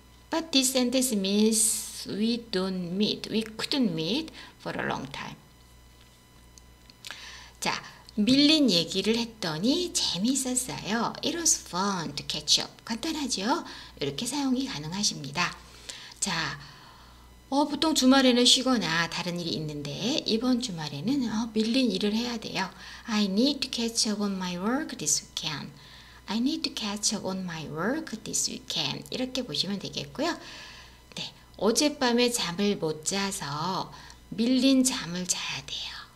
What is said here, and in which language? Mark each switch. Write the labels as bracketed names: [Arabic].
[English] But this sentence means we don't meet, we couldn't meet for a long time. [Korean] 자, 밀린 얘기를 했더니 재미있었어요. [English] It was fun to catch up. [Korean] 간단하죠? 이렇게 사용이 가능하십니다. 자, 보통 주말에는 쉬거나 다른 일이 있는데 이번 주말에는 밀린 일을 해야 돼요. [English] I need to catch up on my work this weekend. I need to catch up on my work this weekend. [Korean] 이렇게 보시면 되겠고요. 네. 어젯밤에 잠을 못 자서 밀린 잠을 자야 돼요.